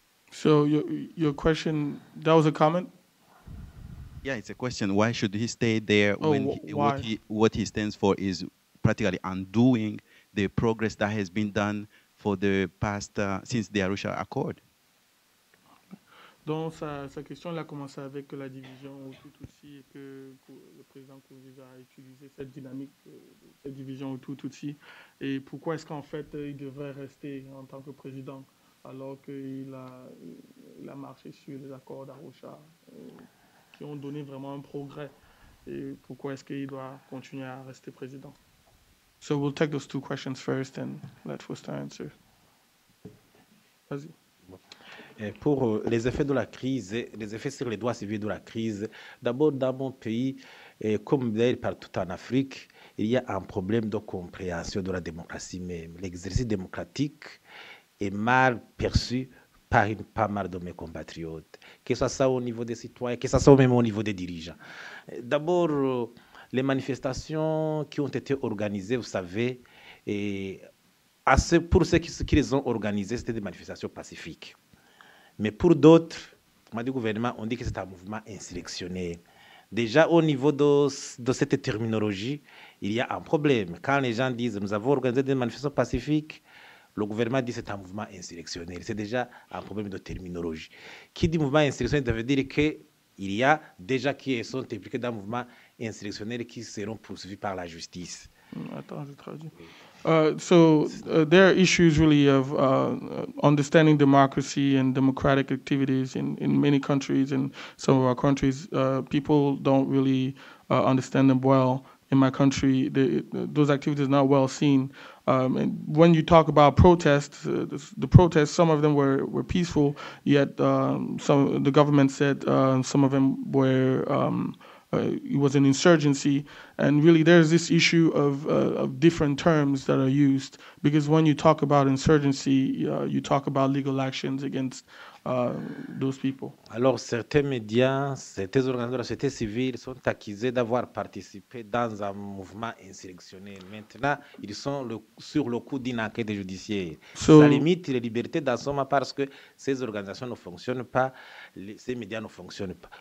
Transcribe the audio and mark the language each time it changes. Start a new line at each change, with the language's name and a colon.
English: So your question, that was a comment? Yeah, it's a question. Why should he stay there when what he stands for is practically undoing the progress that has been done for the past since the Arusha Accord?
French: Donc sa question a commencé avec la division Hutu-Tutsi et que le président Nkurunziza a utilisé cette dynamique, cette division Hutu-Tutsi. Et pourquoi est-ce qu'en fait il devrait rester en tant que président alors qu'il a marché sur les accords d'Arusha qui ont donné vraiment un progrès? Et pourquoi est-ce qu'il doit continuer à rester président?
English: So we'll take those two questions first and let Foster answer.
French: Vas-y. Et pour les effets de la crise, les effets sur les droits civils de la crise, d'abord dans mon pays, et comme d'ailleurs partout en Afrique, il y a un problème de compréhension de la démocratie même. L'exercice démocratique est mal perçu par pas mal de mes compatriotes, que ce soit au niveau des citoyens, que ce soit même au niveau des dirigeants. D'abord, les manifestations qui ont été organisées, vous savez, pour ceux qui les ont organisées, c'était des manifestations pacifiques. Mais pour d'autres, du gouvernement, on dit que c'est un mouvement insurrectionnel. Déjà, au niveau de cette terminologie, il y a un problème. Quand les gens disent « nous avons organisé des manifestations pacifiques », le gouvernement dit que c'est un mouvement insurrectionnel. C'est déjà un problème de terminologie. Qui dit mouvement insurrectionnel, ça veut dire qu'il y a déjà qui sont impliqués dans un mouvement insurrectionnel qui seront poursuivis par la justice. Attends, je traduis.
English: There are issues really of understanding democracy and democratic activities in many countries. In some of our countries, people don't really understand them well. In my country, those activities are not well seen. And when you talk about protests, the protests, some of them were peaceful, yet some the government said some of them were... it was an insurgency, and really there's this issue of different terms that are used, because when you talk about insurgency, you talk about legal actions against those people.
French: Alors, certains médias, certains organisations de la société civile sont accusés d'avoir participé dans un mouvement insurrectionnel. Maintenant, ils sont sur le coup d'une enquête judiciaire. So, ça limite les libertés d'ensemble parce que ces organisations ne fonctionnent pas, ces médias ne fonctionnent pas.